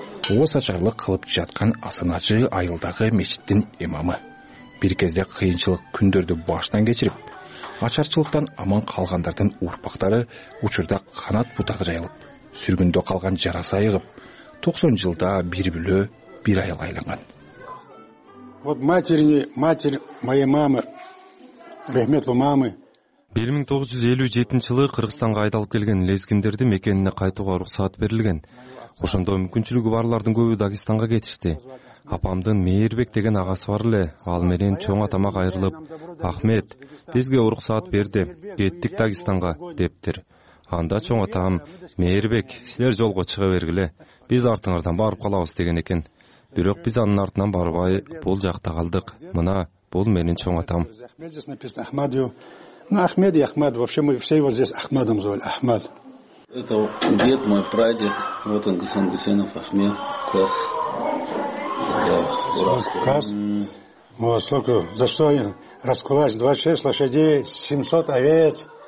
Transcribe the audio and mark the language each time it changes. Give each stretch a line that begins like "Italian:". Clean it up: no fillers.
Kyrgyz: Ооз ачарлык кылып жаткан асаначы айылдагы мечиттин имамы. Бир кезде кыйынчылык күндөрдү баштан кечирип, ачарчылыктан аман калгандардын урпактары учурда канат бутагы жайылып, сүргүндө калган жарасы айыгып, 90 жылда бир бүлө бир айыл айланган.
Russian: Вот матерь моей мамы, рахметлуу мамы.
Kyrgyz: 1957 жылы Кыргызстанга айдалып келген лезгиндерди мекенине кайтууга уруксат берилген. Ошондо мүмкүнчүлүгү барлардын көбү Дагестанга кетишти. Апамдын Мээрбек деген агасы бар эле, ал менен чоң атама кайрылып, Ахмет, бизге уруксат берди, кеттик Дагестанга, дептир. Анда чоң атам, Мээрбек, силер жолго чыга бергиле, биз артыңардан барып калабыз деген экен. Бирок биз анын артынан барбай, бул жакта калдык. Мына, бул менин чоң атам.
Russian: Ахмед и Ахмед, вообще мы все его здесь Ахмедом звали, Ахмед. Это дед мой, прадед, вот он, Гасан Гусейнов, Ахмед, Кас. Кас? Вот сколько, за что раскулач, 26 лошадей, 700 овец.